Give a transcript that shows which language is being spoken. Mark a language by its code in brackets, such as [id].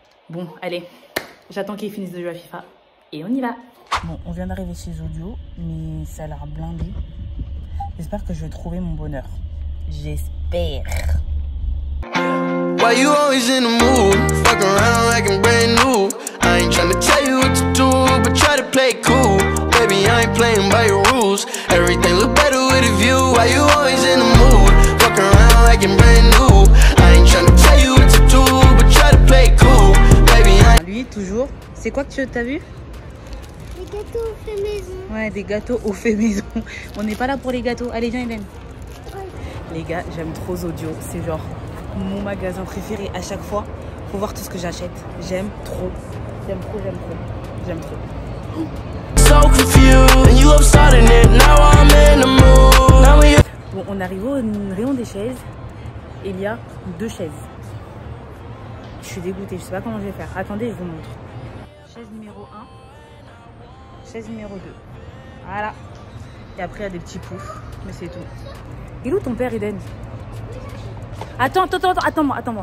[fr] Bon, allez, j'attends qu'ils finissent de jouer à FIFA et on y va. Bon, on vient d'arriver chez Audio, mais ça a l'air blindé. J'espère que je vais trouver mon bonheur. J'espère. [en] Why you always in the mood? Fuck around like I'm brand new. I ain't tryna tell you what to do, but try to play cool. Baby, I ain't playing by your rules. Everything look better with a view. Why you always in the mood? Fuck around like I'm brand new. I ain't tryna tell you what to do, but try to play cool. Baby, I ain't. [fr] Lui, toujours. C'est quoi que tu as vu? Des gâteaux au fait maison. Ouais, des gâteaux au fait maison. On n'est pas là pour les gâteaux. Allez, viens, Hélène. Les gars, j'aime trop Audio. C'est genre mon magasin préféré à chaque fois. Faut voir tout ce que j'achète. J'aime trop. J'aime trop, j'aime trop. J'aime trop. [en] So confused, you have started it. Now I'm in the mood. Now we... [fr] Bon, on arrive au rayon des chaises. Il y a deux chaises. Je suis dégoûtée. Je sais pas comment je vais faire. Attendez, je vous montre. Chaise numéro 1. Chaise numéro 2. Voilà. Et après, il y a des petits poufs. Mais c'est tout. Il est où ton père, Eden? Attends-moi.